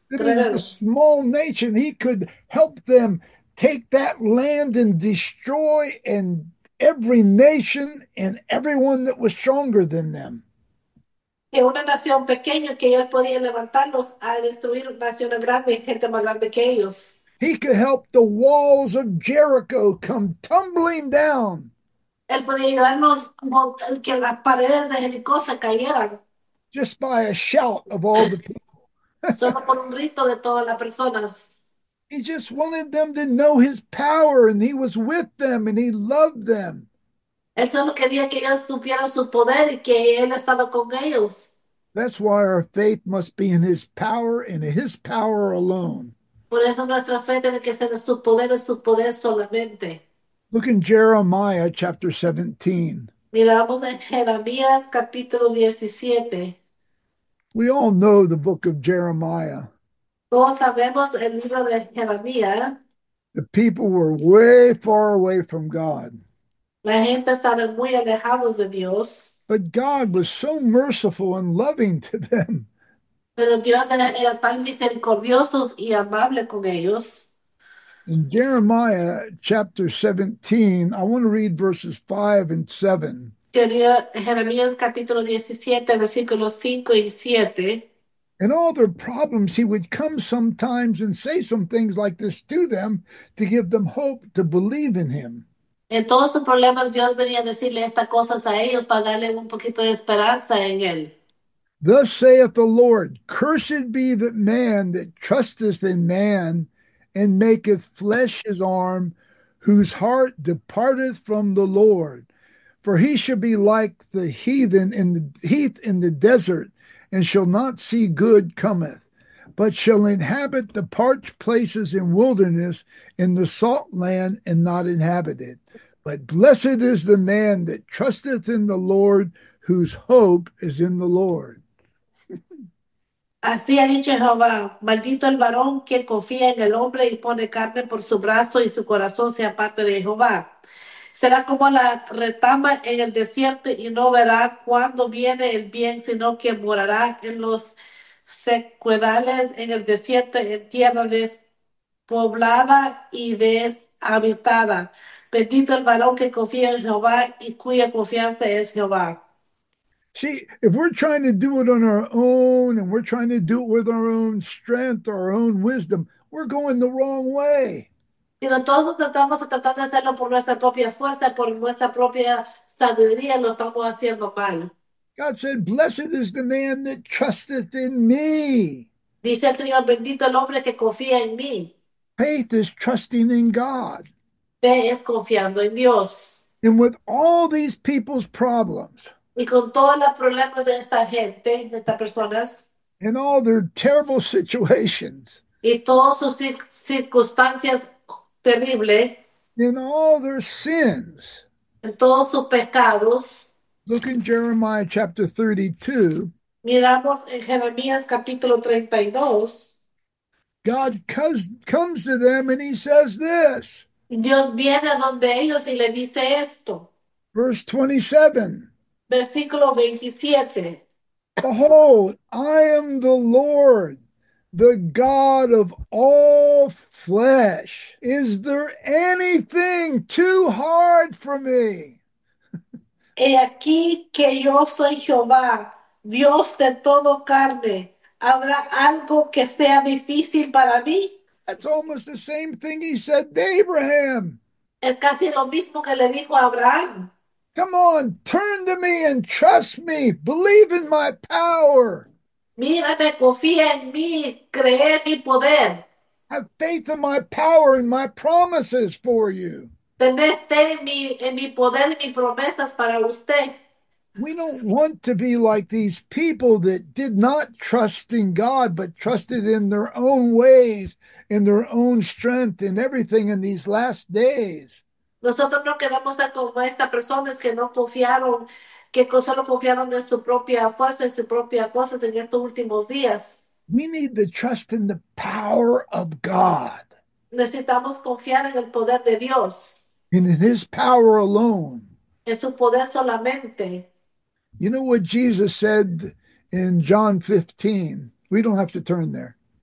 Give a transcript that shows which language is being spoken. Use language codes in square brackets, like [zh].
[en] Being a small nation, he could help them take that land and destroy and every nation and everyone that was stronger than them. [es] Que una nación pequeña que él podía levantarlos a destruir naciones grandes y gente más grande que ellos. [en] He could help the walls of Jericho come tumbling down. [es] Él podía ayudarnos como que las paredes de Jericó se cayeran. [en] Just by a shout of all the people. [es] Solo por un grito de todas las personas. [en] He just wanted them to know his power, and he was with them, and he loved them. [es] Él solo quería que ellos supieran su poder y que él estaba con ellos. [en] That's why our faith must be in his power and his power alone. [es] Por eso nuestra fe tiene que ser en su poder solamente. [en] Look in Jeremiah chapter 17. [es] Miramos en Jeremías capítulo 17. [en] We all know the book of Jeremiah. [es] Todos sabemos el libro de Jeremías. [en] The people were way far away from God. [es] La gente estaba muy alejados de Dios. [en] But God was so merciful and loving to them. [es] Pero Dios era tan misericordioso y amable con ellos. [en] In Jeremiah chapter 17, I want to read verses 5 and 7. [es] Quería Jeremías capítulo 17, versículos 5 y 7. [en] And all their problems, he would come sometimes and say some things like this to them to give them hope to believe in him. [es] En todos sus problemas, Dios venía a decirle estas cosas a ellos para darle un poquito de esperanza en él. [en] Thus saith the Lord, cursed be the man that trusteth in man and maketh flesh his arm, whose heart departeth from the Lord. For he shall be like the heathen in the heath in the desert, and shall not see good cometh, but shall inhabit the parched places in wilderness, in the salt land, and not inhabited. But blessed is the man that trusteth in the Lord, whose hope is in the Lord. [es] Así ha dicho Jehová, maldito el varón que confía en el hombre y pone carne por su brazo y su corazón sea parte de Jehová. Será como la retama en el desierto y no verá cuándo viene el bien, sino que morará en los secuedales, en el desierto, en tierra despoblada y deshabitada. Bendito el varón que confía en Jehová y cuya confianza es Jehová. [en] See, if we're trying to do it on our own and we're trying to do it with our own strength or our own wisdom, we're going the wrong way. [es] Sino todos tratamos de tratar de hacerlo por nuestra propia fuerza, por nuestra propia sabiduría, lo estamos haciendo mal. [en] God said, "Blessed is the man that trusteth in me." [es] Dice el Señor, bendito el hombre que confía en mí. [en] Faith is trusting in God. [es] Fe es confiando en Dios. [en] And with all these people's problems, [es] Y con todos los problemas de esta gente, de estas personas. [en] in all their terrible situations, [es] Y todas sus circunstancias. [en] Terrible in all their sins. [es] en todos sus pecados. [en] Look in Jeremiah chapter 32. [es] Miramos en Jeremías capítulo 32. [en] God comes to them and he says this. [es] Dios viene a donde ellos y le dice esto. [en] Verse 27. [es] Versículo 27. [en] Behold, I am the Lord, the God of all flesh. Is there anything too hard for me? [es] He aquí que yo soy Jehová, Dios de todo carne. ¿Habrá algo que sea difícil para mí? [en] That's almost the same thing he said to Abraham. [es] Es casi lo mismo que le dijo a Abraham. [en] Come on, turn to me and trust me. Believe in my power. [es] Mírame, confía en mí, cree en mi poder. [en] Have faith in my power and my promises for you. [es] Tener fe en mi poder y mis promesas para usted. [en] We don't want to be like these people that did not trust in God, but trusted in their own ways, in their own strength, in everything in these last days. [es] Nosotros no quedamos como estas personas que no confiaron, que solo confiaron en su propia fuerza, en su propia cosa en estos últimos días. [en] We need to trust in the power of God [es] Necesitamos confiar en el poder de Dios, [en] and in His power alone. [es] en su poder solamente. [en] You know what Jesus said in John 15? We don't have to turn there.